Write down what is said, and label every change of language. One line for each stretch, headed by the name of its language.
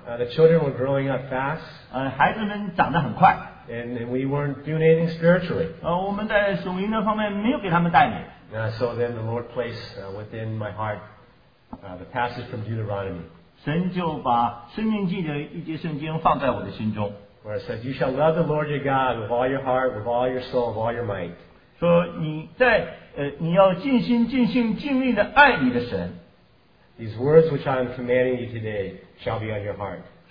English: The children were growing up fast.
Chinese: 孩子们长得很快。
English: And we weren't doing anything spiritually.
Chinese: 我们在属灵的方面没有给他们带领。
English: So then the Lord placed within my heart the passage from Deuteronomy.
Chinese: 神就把生命记的一节圣经放在我的心中。
English: Where it says, you shall love the Lord your God with all your heart, with all your soul, with all your might.
Chinese: 说你要尽心尽性尽力的爱你的神。
English: These words which I am commanding you today shall be on your heart.